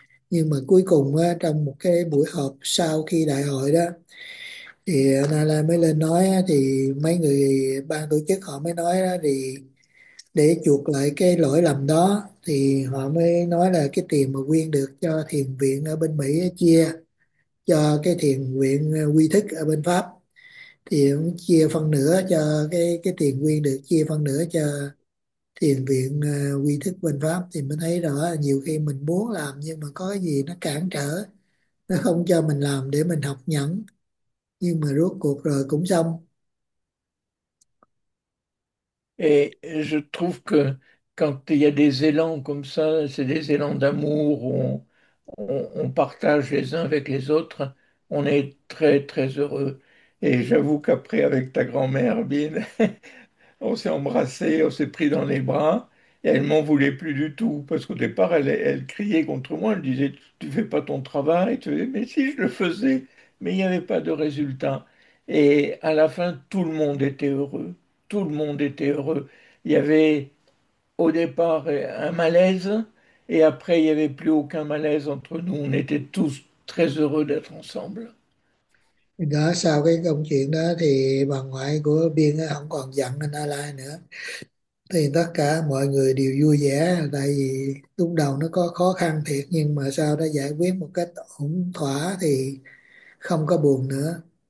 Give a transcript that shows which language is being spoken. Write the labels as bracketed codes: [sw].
[vi] Nhưng mà cuối cùng trong một cái buổi họp sau khi đại hội đó thì anh là mới lên nói thì mấy người ban tổ chức họ mới nói đó, thì để chuộc lại cái lỗi lầm đó thì họ mới nói là cái tiền mà quyên được cho thiền viện ở bên Mỹ chia cho cái thiền viện Quy Thức ở bên Pháp thì cũng chia phân nửa cho cái tiền quyên được chia phân nửa cho thiền viện Quy Thức bên Pháp thì mới thấy rõ là nhiều khi mình muốn làm nhưng mà có cái gì nó cản trở, nó không cho mình làm để mình học nhẫn nhưng mà rốt cuộc rồi cũng xong. [fr] Et je trouve que quand il y a des élans comme ça, c'est des élans d'amour où on partage les uns avec les autres, on est très très heureux. Et j'avoue qu'après, avec ta grand-mère, bien, on s'est embrassés, on s'est pris dans les bras, et elle m'en voulait plus du tout, parce qu'au départ, elle criait contre moi, elle disait, tu fais pas ton travail, tu fais, mais si je le faisais, mais il n'y avait pas de résultat. Et à la fin, tout le monde était heureux. Tout le monde était heureux. Il y avait au départ un malaise et après il n'y avait plus aucun malaise entre nous. On était tous très heureux d'être ensemble. [vi] Đó, sau cái công chuyện đó thì bà ngoại của Biên không còn giận anh Alai nữa. Thì tất cả mọi người đều vui vẻ tại vì lúc đầu nó có khó khăn thiệt nhưng mà sau đó giải quyết một cách ổn thỏa thì không có buồn nữa.